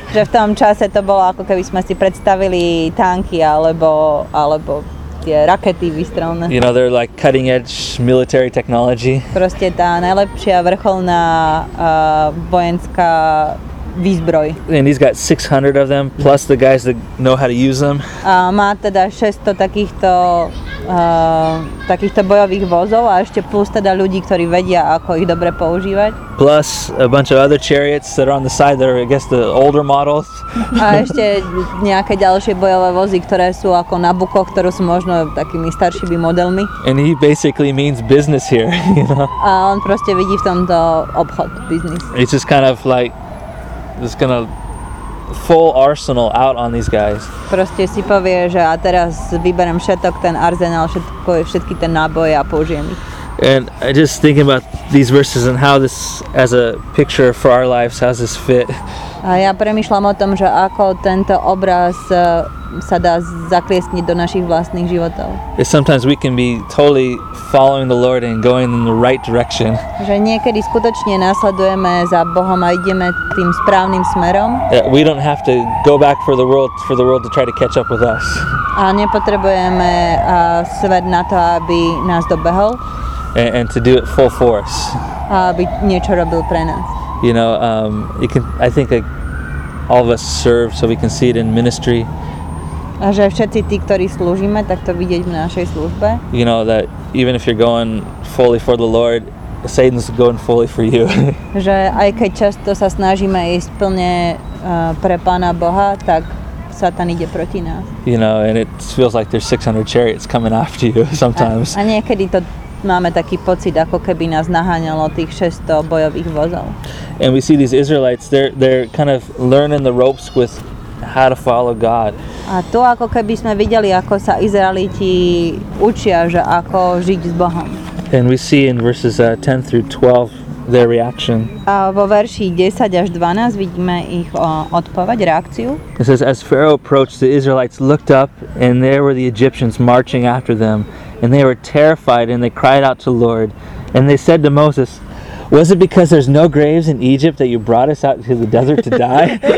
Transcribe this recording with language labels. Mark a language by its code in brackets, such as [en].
[sk] Že v tom čase to bolo, ako keby sme si predstavili tanky alebo tie rakety výstrelné. [en] You know, they're like cutting edge military technology. [sk] Proste tá najlepšia vrcholná vojenská výzbroj. [en] And he's got 600 of them, plus the guys that know how to use them. [sk] A má teda 600 takýchto bojových vozov a ešte plus teda ľudí, ktorí vedia, ako ich dobre používať. [en] Plus a bunch of other chariots that are on the side that are, I guess, the older models. [sk] A ešte nejaké ďalšie bojové vozy, ktoré sú ako Nabucco, ktoré sú možno takými staršími modelmi. [en] And he basically means business here, you know. [sk] A on proste vidí v tomto obchod, business. [en] It's just kind of like it's gonna full arsenal out on these guys. [sk] Proste si povie, že a teraz vyberem všetok ten arzenál, všetky ten náboj a použijem ich. [en] And I just thinking about these verses and how this as a picture for our lives, how does this fit? [sk] A ja premýšľam o tom, že ako tento obraz sa dá zakliesniť do našich vlastných životov. [en] And sometimes we can be totally following the Lord and going in the right direction. [sk] Že niekedy skutočne nasledujeme za Bohom a ideme tým správnym smerom. [en] Yeah, we don't have to go back for the world to try to catch up with us. [sk] A nepotrebujeme svet na to, aby nás dobehol. [en] And to do it full force. [sk] A aby niečo robil pre nás. [en] You know, you can, I think all of us serve so we can see it in ministry. [sk] A že všetci tí, ktorí slúžime, tak to vidieť v našej službe. [en] You know, that even if you're going fully for the Lord, Satan's going fully for you. [sk] Že aj keď často sa snažíme ísť plne pre Pána Boha, tak Satan ide proti nás. [en] You know, and it feels like there's 600 chariots coming after you sometimes. [sk] A niekedy to máme taký pocit, ako keby nás naháňalo tých 600 bojových vozov. [en] And we see these Israelites, they're kind of learning the ropes with how to follow God. [sk] A to ako keby sme videli, ako sa Izraeliti učia, že ako žiť s Bohom. [en] And we see in verses 10 through 12 their reaction. [sk] Vo verši 10 až 12 vidíme ich odpoveď, reakciu. [en] It says, as Pharaoh approached, the Israelites looked up, and there were the Egyptians marching after them. And they were terrified, and they cried out to the Lord. And they said to Moses, was it because there's no graves in Egypt that you brought us out to the desert to die?